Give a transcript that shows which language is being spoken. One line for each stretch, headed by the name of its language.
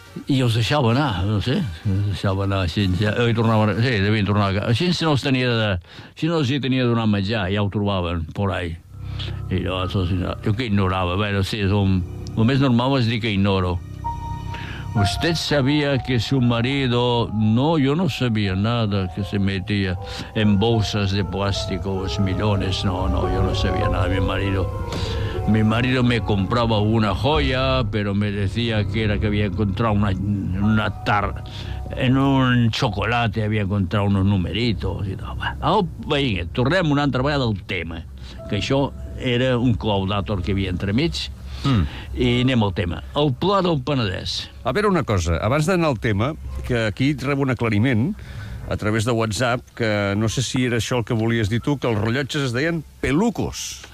Catalan: I els deixava anar, no sé, els deixava anar així, i tornaven, sí, devien tornar, així si no els tenia de, si no els hi tenia de donar menjar, ja ho trobaven,
Spanish: por ahí.
Catalan: I llavors, jo que ignorava, bueno, sí, és un, el més normal és dir que ignoro.
Spanish: Usted sabia que su marido, no, yo no sabía nada, que se metía en bolsas de plástico, los millones, no, no, yo no sabía nada, mi marido. Mi marido me compraba una joya, pero me decía que era que había encontrado una tarta en un chocolate, había encontrado unos numeritos y tal.
Catalan: Bueno, venga, tornem una altra vegada al tema, que això era un claudàtor que hi havia entremig, i anem al tema. El Pla del Penedès. A veure una cosa, abans d'anar al tema, que aquí et rebo un aclariment a través de WhatsApp, que no sé si era això el que volies dir tu, que els rellotges es deien pelucos.